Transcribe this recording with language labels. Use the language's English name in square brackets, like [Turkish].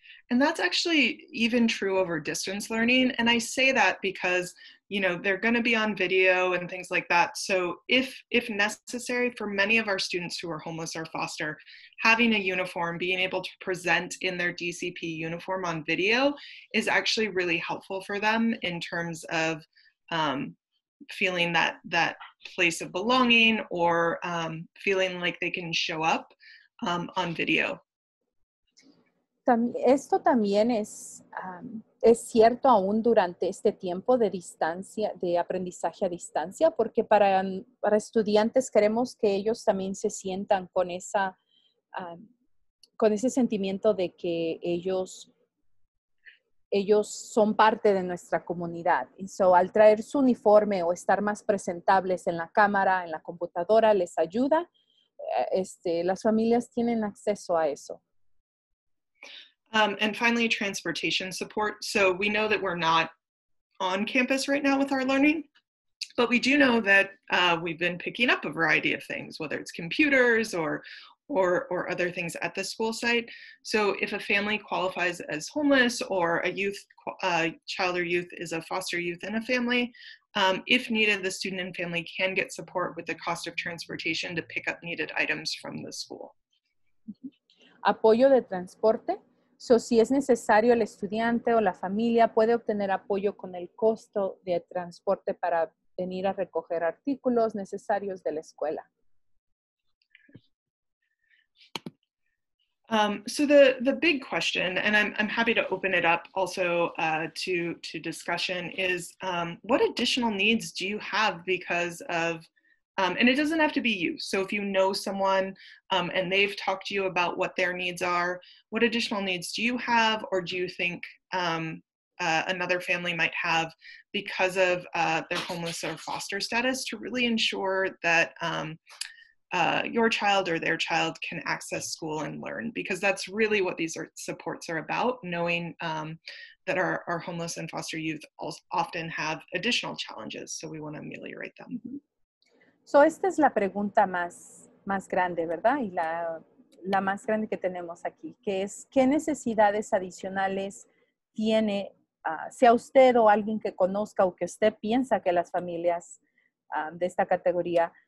[English] And that's actually even true over distance learning. And I say that because, you know, they're going to be on video and things like that. So if necessary, for many of our students who are homeless or foster, having a uniform, being able to present in their DCP uniform on video is actually really helpful for them in terms of feeling that place of belonging or feeling like they can show up on video. [Spanish] Esto también es cierto aún durante este tiempo de distancia, de aprendizaje a distancia, porque para estudiantes queremos que ellos también se sientan con esa con ese sentimiento de que ellos son parte de nuestra comunidad. Y so al traer su uniforme o estar más presentables en la cámara, en la computadora, les ayuda, las familias tienen acceso a eso. [English] And finally, transportation support. So we know that we're not on campus right now with our learning, but we do know that we've been picking up a variety of things, whether it's computers or other things at the school site. So if a family qualifies as homeless or a child or youth is a foster youth in a family, if needed, the student and family can get support with the cost of transportation to pick up needed items from the school. [Spanish] Apoyo de transporte. So, si es necesario, el estudiante o la familia puede obtener apoyo con el costo de transporte para venir a recoger artículos necesarios de la escuela. [English] So, the big question, and I'm happy to open it up also to discussion, is what additional needs do you have because of, and it doesn't have to be you. So if you know someone and they've talked to you about what their needs are, what additional needs do you have or do you think another family might have because of their homeless or foster status to really ensure that your child or their child can access school and learn? Because that's really what these supports are about, knowing that our homeless and foster youth often have additional challenges. So we want to ameliorate them. Mm-hmm. [Spanish] So esta es la pregunta más grande, ¿verdad? Y la más grande que tenemos aquí, que es ¿qué necesidades adicionales tiene, sea usted o alguien que conozca o que usted piensa que las familias de esta categoría